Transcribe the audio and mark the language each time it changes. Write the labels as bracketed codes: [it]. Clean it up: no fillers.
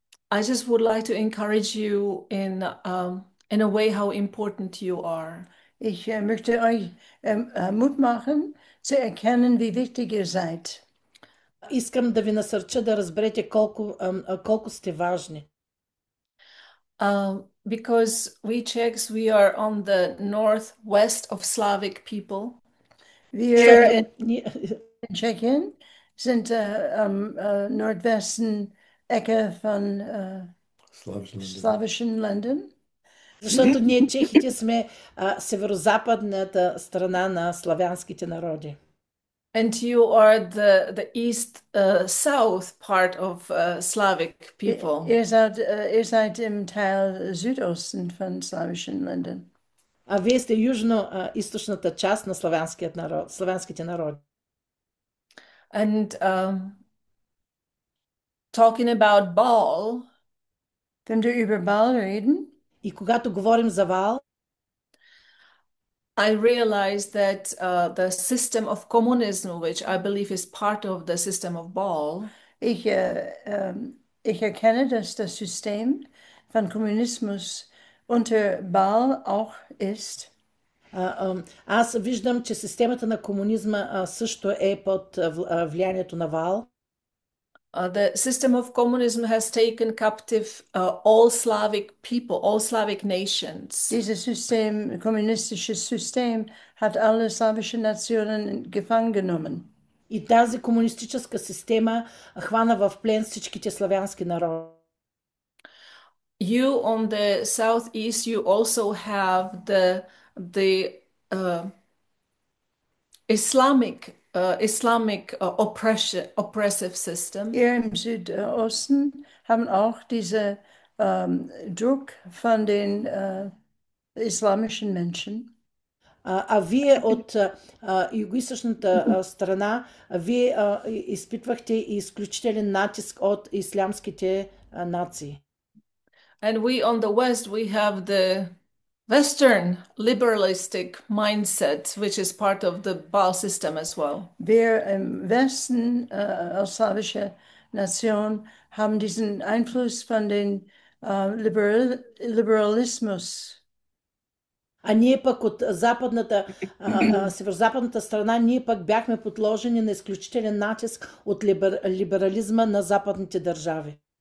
[en] I just would like to encourage you in a way how important you are. [de] Ich möchte euch Mut machen, zu erkennen, wie wichtig ihr seid. [bg] Искам да ви насърча да разберете колко сте важни. [en] Because we Czechs, we are on the northwest of Slavic people. [de] Wir in Tschechien sind am nordwesten Ecke von slawischen Ländern. [bg] Защото ние чехите сме северо-западната страна на славянските народи. [en] And you are the east south part of Slavic people. [de] Ihr seid im Teil Südosten von slawischen Ländern. [bg] А вие сте южно-источната част на славянските народи. [en] And talking about Baal. [de] Wenn du über Baal reden, [bg] И когато говорим за Вал, [en] I realize that the system of communism, which I believe is part of the system of Baal, [de] ich erkenne, dass das System von Kommunismus unter Baal auch ist. [bg] Аз виждам, че системата на комунизма също е под влиянието на Вал. [en] The system of communism has taken captive all Slavic people, all Slavic nations. [de] Dieses System, kommunistisches System, hat alle slawischen Nationen gefangen genommen. [bg] И тази комунистическа система хвана в плен всичките славянски народи. [en] You on the southeast, you also have the Islamic oppressive system. [de] Hier im Südosten haben auch diese Druck von den islamischen Menschen. [bg] А вие от югоизточната страна, вие изпитвахте изключителен натиск от ислямските нации. [en] And we on the West, we have the Western liberalistic mindset, which is part of the Baal system as well. [de] Wir im Westen, als slawische Nation, haben diesen Einfluss von den Liberalismus. [bg] А ние пък от западната, северозападната страна, ние пък бяхме подложени на изключителен натиск от либерализма на западните държави.